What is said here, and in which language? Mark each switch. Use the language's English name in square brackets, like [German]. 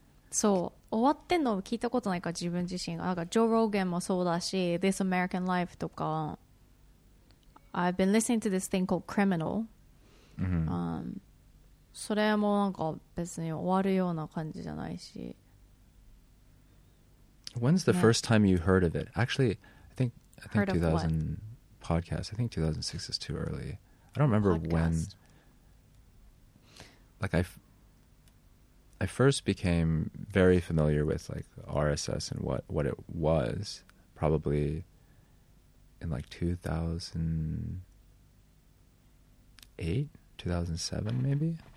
[English] So, [Japanese] 終わってんの聞いたことないか自分自身が。なんか Joe Rogan もそうだし、This American Life とか。 [English] I've been listening to this thing called Criminal. [Japanese] それもなんか別に終わるような感じじゃないし。 [English] When's the first time you heard of it? Actually, I think 2000 podcast. I think 2006 is too early. I don't remember when. Like I first became very familiar with like RSS and what it was probably in like 2008, 2007 maybe?